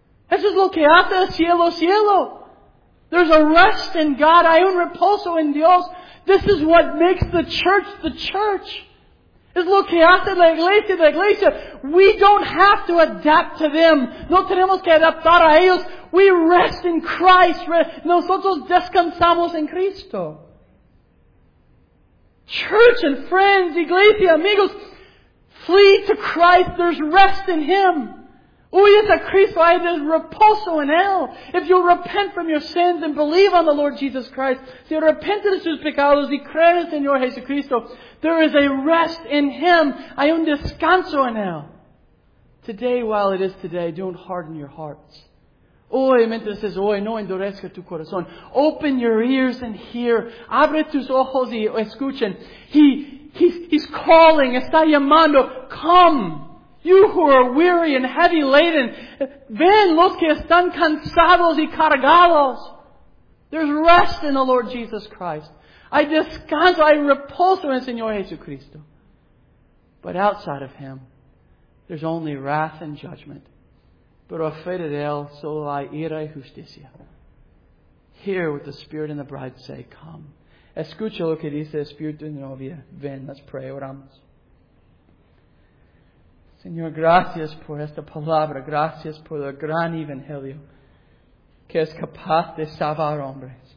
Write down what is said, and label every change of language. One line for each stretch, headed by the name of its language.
Spanish: Eso es lo que hace el cielo, cielo.
English: There's a rest in God.
Spanish: Hay un reposo en Dios.
English: This is what makes the church, the church.
Spanish: Es lo que hace la iglesia, la iglesia.
English: We don't have to adapt to them.
Spanish: No tenemos que adaptar a ellos.
English: We rest in Christ.
Spanish: Nosotros descansamos en Cristo.
English: Church and friends,
Spanish: iglesia, amigos,
English: flee to Christ. There's rest in Him.
Spanish: Huyes a Cristo. Hay reposo en Él.
English: If you repent from your sins and believe on the Lord Jesus Christ,
Spanish: si arrepentes de sus pecados y crees en Señor Jesucristo,
English: there is a rest in Him.
Spanish: Hay un descanso en Él.
English: Today, while it is today, don't harden your hearts.
Spanish: Hoy, mientras es hoy, no endurezca tu corazón.
English: Open your ears and hear.
Spanish: Abre tus ojos y escuchen.
English: He's calling.
Spanish: Está llamando.
English: Come. You who are weary and heavy laden.
Spanish: Ven los que están cansados y cargados.
English: There's rest in the Lord Jesus Christ.
Spanish: Hay descanso, hay reposo en Señor Jesucristo.
English: But outside of Him, there's only wrath and judgment.
Spanish: Pero afuera de Él, solo hay ira y justicia.
English: Hear what the Spirit and the Bride say, come.
Spanish: Escucha lo que dice el Espíritu de Novia. Ven,
English: let's pray,
Spanish: oramos. Señor, gracias por esta palabra. Gracias por el gran Evangelio que es capaz de salvar hombres.